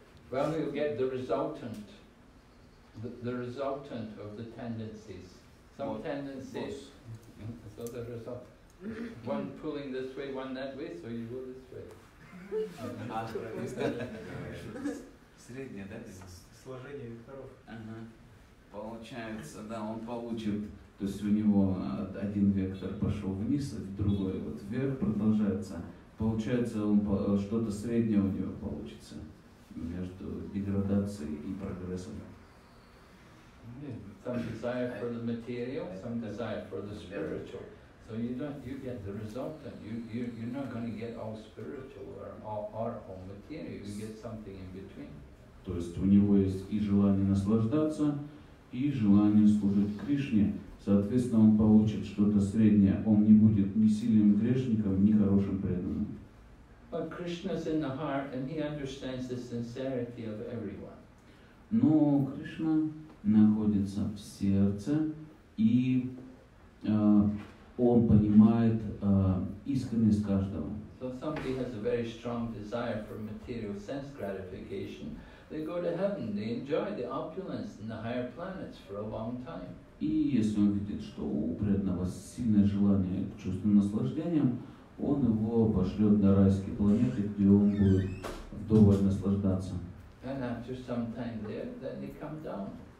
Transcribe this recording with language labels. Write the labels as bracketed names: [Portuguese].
[English] Well, you get the resultant of the tendencies. Some both. Tendencies. Both. So the result. One pulling this way, one that way, so you go this way. [Russian] Среднее, да, здесь? Сложение векторов. Получается, да, он получит. То есть у него один вектор пошел вниз, а другой вот вверх продолжается. Получается, он что-то среднее у него получится между деградацией и прогрессом. [English] Some desire for the material, some desire for the spiritual. So you get the resultant. You're not going to get all spiritual or all material. You get something in between. [Russian] То есть у него есть и желание наслаждаться, и желание служить Кришне. Соответственно, он получит что-то среднее. Он не будет ни сильным грешником, ни хорошим преданным. [English] But Krishna's in the heart, and he understands the sincerity of everyone. [Russian] Но Кришна находится в сердце, и он понимает искренность каждого. [English] So somebody has a very strong desire for material sense gratification, they go to heaven, they enjoy the opulence in the higher planets for a long time. [Russian] И если он видит, что у преданного сильное желание к чувственным наслаждениям, он его пошлет на райские планеты, где он будет вдоволь наслаждаться. [English] And after some time there, then they come down.